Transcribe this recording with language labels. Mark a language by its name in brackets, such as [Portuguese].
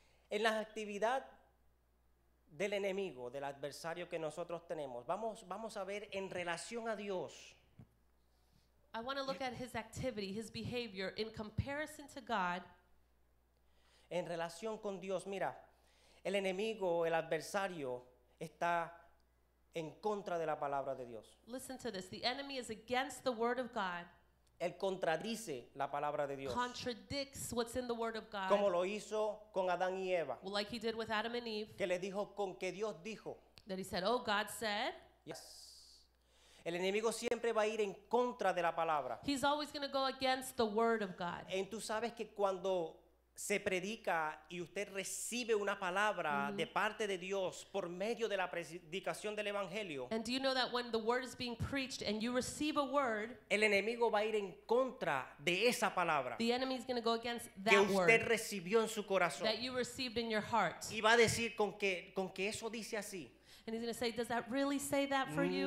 [Spanish] En la actividad del enemigo, del adversario que nosotros tenemos, vamos a ver en relación a Dios. [English] I want to look at his activity, his behavior, in comparison to God. [Spanish] En relación con Dios, mira. El enemigo, el adversario, está en contra de la palabra de Dios. [English] Listen to this. The enemy is against the word of God. [Spanish] Él contradice la palabra de Dios. [English] Contradicts what's in the word of God. [Spanish] Como lo hizo con Adán y Eva. [English] Well, like he did with Adam and Eve. [Spanish] Que le dijo con que Dios dijo. [English] That he said, oh, God said. Yes. [Spanish] El enemigo siempre va a ir en contra de la palabra. [English] He's always going to go against the word of God. [Spanish] Y tú sabes que cuando se predica y usted recibe una palabra de parte de Dios por medio de la predicación del evangelio. [English] And do you know that when the word is being preached and you receive a word, [Spanish] el enemigo va a ir en contra de esa palabra. [English] The enemy is going to go against that word. [Spanish] Que usted [English] word [Spanish] recibió en su corazón. [English] That you received in your heart. [Spanish] Y va a decir con que eso dice así. [English] And he's going to say, does that really say that for you?